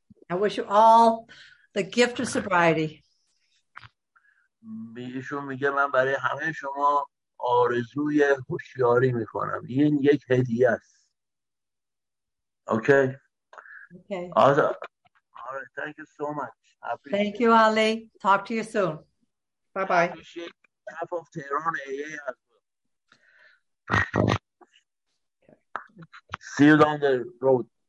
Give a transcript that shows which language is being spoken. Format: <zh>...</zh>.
<en>I wish you all the gift of sobriety.</en> <fa>ایشون میگه من برای همه شما آرزوی هوشیاری میکنم، این یک هدیه است.</fa> <en>okay okay</en> <fa>آزا، آره،</fa> <en>thank you so much. Thank you, Ali. Talk to you soon. Bye bye. Half of Tehran AA. See you down the road.</en>